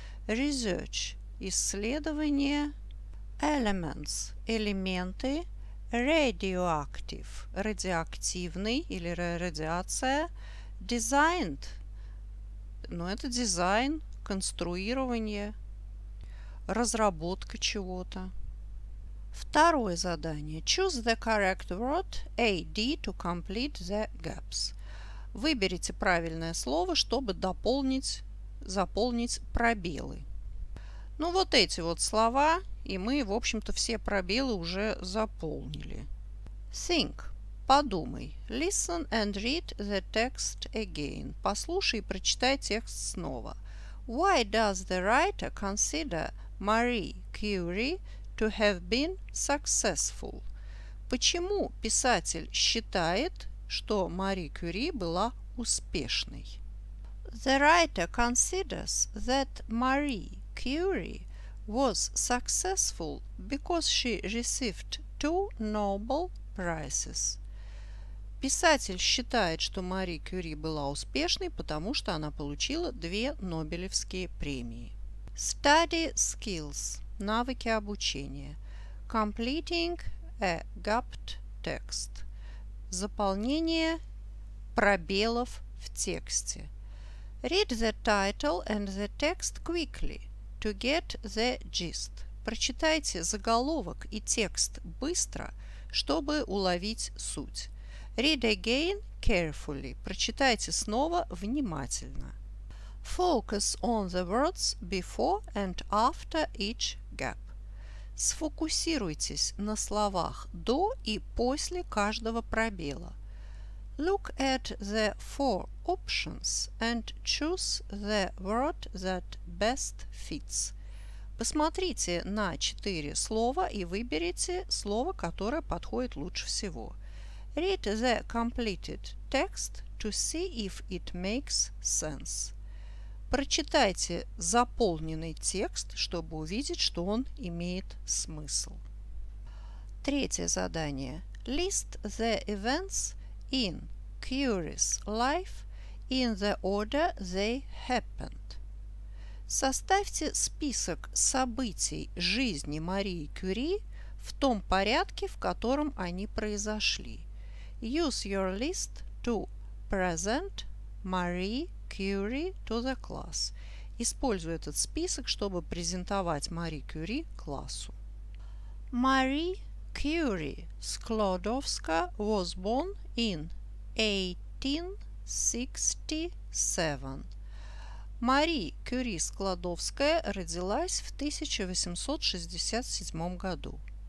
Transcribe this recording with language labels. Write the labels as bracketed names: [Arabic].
[English] Research [Russian] – исследование. [English] Elements [Russian] – элементы. [English] Radioactive [Russian] – радиоактивный или радиация. [English] Designed [Russian] – ну, это дизайн, конструирование, разработка чего-то. Второе задание. [English] Choose the correct word AD to complete the gaps. [Russian] Выберите правильное слово, чтобы заполнить пробелы. Ну, вот эти вот слова, и мы, в общем-то, все пробелы уже заполнили. [English] Think. [Russian] Подумай. [English] Listen and read the text again. [Russian] Послушай и прочитай текст снова. [English] Why does the writer consider Marie Curie to have been successful? [Russian] Почему писатель считает, что Мари Кюри была успешной? [English] The writer considers that Marie Curie was successful because she received two Nobel prizes. [Russian] Писатель считает, что Мари Кюри была успешной, потому что она получила две Нобелевские премии. [English] Study skills. [Russian] Навыки обучения. [English] Completing a gapped text. [Russian] Заполнение пробелов в тексте. [English] Read the title and the text quickly to get the gist. [Russian] Прочитайте заголовок и текст быстро, чтобы уловить суть. [English] Read again carefully. [Russian] Прочитайте снова внимательно. [English] Focus on the words before and after each gap. [Russian] Сфокусируйтесь на словах до и после каждого пробела. [English] Look at the four options and choose the word that best fits. [Russian] Посмотрите на четыре слова и выберите слово, которое подходит лучше всего. [English] Read the completed text to see if it makes sense. [Russian] Прочитайте заполненный текст, чтобы увидеть, что он имеет смысл. Третье задание. [English] List the events in Curie's life in the order they happened. [Russian] Составьте список событий жизни Марии Кюри в том порядке, в котором они произошли. [English] Use your list to present Marie Curie to the class. [Russian] Используй этот список, чтобы презентовать Marie Curie классу. [English] Marie Curie Sklodowska was born in 1867. [Russian] Marie Curie Sklodowska родилась в 1867 году.